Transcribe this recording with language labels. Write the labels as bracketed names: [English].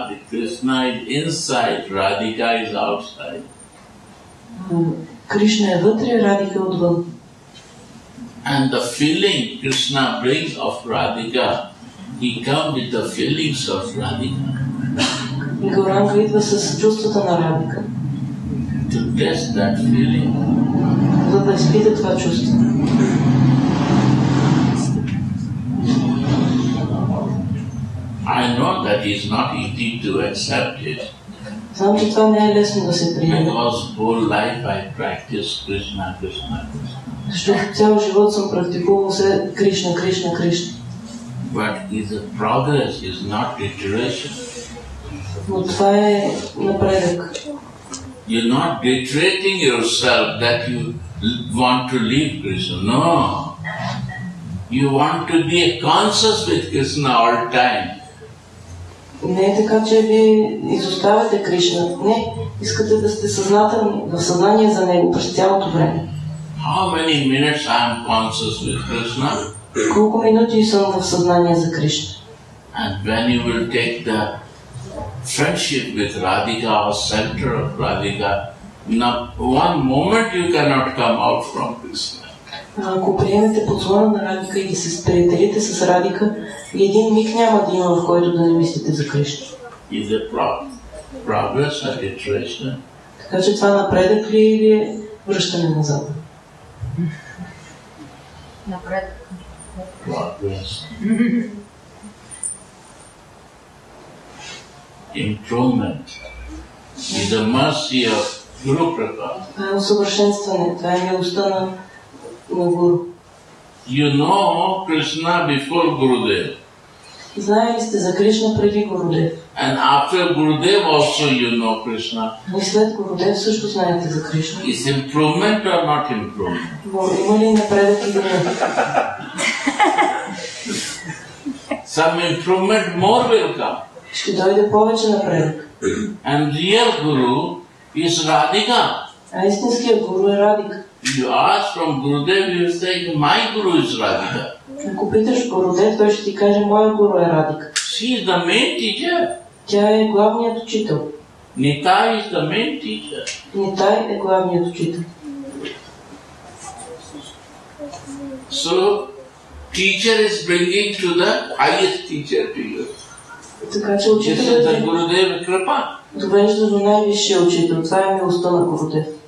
[Bulgarian] Кришна е inside, Радика е outside. Кришна е вътре, Радика е отвън. [English] And the feeling Krishna brings of Radhika, he comes with the feelings of Radhika. [Bulgarian] Гауранга идва с чувствата на Радика. [English] To test that feeling. [Bulgarian] За да изпита това чувство. [English] I know that it's not easy to accept it. [Bulgarian] Знам, че това не е лесно да се приеме. [English] Because whole life I practice Krishna, Krishna, Krishna. [Bulgarian] Защото цял живот съм практикувал се Кришна, Кришна, Кришна. [English] But is a progress, is not deterioration. [Bulgarian] Но това е напредък. [English] You're not deteriorating yourself that you want to leave Krishna. No. You want to be conscious with Krishna all time. [Bulgarian] Не е така, че вие изоставяте Кришна. Не, искате да сте съзнателни, в съзнание за Него през цялото време. [English] How many minutes I am conscious with Krishna? [Bulgarian] Колко минути съм в съзнание за Кришна? [English] And when you will take the friendship with Radhika or center of Radhika, not one moment you cannot come out from Krishna. [Bulgarian] Ако приемете поцелуя на Радика и се сприятелите с Радика, един миг няма да има, в който да не мислите за Кришна. [English] Is it progress or deterioration? [Bulgarian] Така че това напредък ли или връщане назад? Напредък. [English] Improvement. И the mercy of Guru Prabhupada. [Bulgarian] Това е усъвършенстване, това е милостта на Гуру. [English] You know Krishna before Gurudev. [Bulgarian] Знаете ли сте за Кришна преди Гурудев? [English] And after Gurudev also you know Krishna. [Bulgarian] И след Гурудев също знаете за Кришна. [English] Is improvement or not improvement? [Bulgarian] Има ли напредък или не? [English] Some improvement more will come. [Bulgarian] Ще дойде повече напредък. [English] And real Guru is Radhika. [Bulgarian] А истинският Гуру е Радика. [English] You ask from Gurudev, you say, my Guru is Radhika. [Bulgarian] Ако питаш Гурудев, той ще ти каже, моя Гуру е Радика. [English] She is the main teacher. [Bulgarian] Тя е главният учител. [English] Нитай is the main teacher. [Bulgarian] Нитай е главният учител. [English] So, teacher is bringing to the highest teacher to you. [Bulgarian] Така че учителът е... [English] This is the Gurudev Kripa. [Bulgarian] Довежда до най-висшия учител. Това е милостта на Гурудев.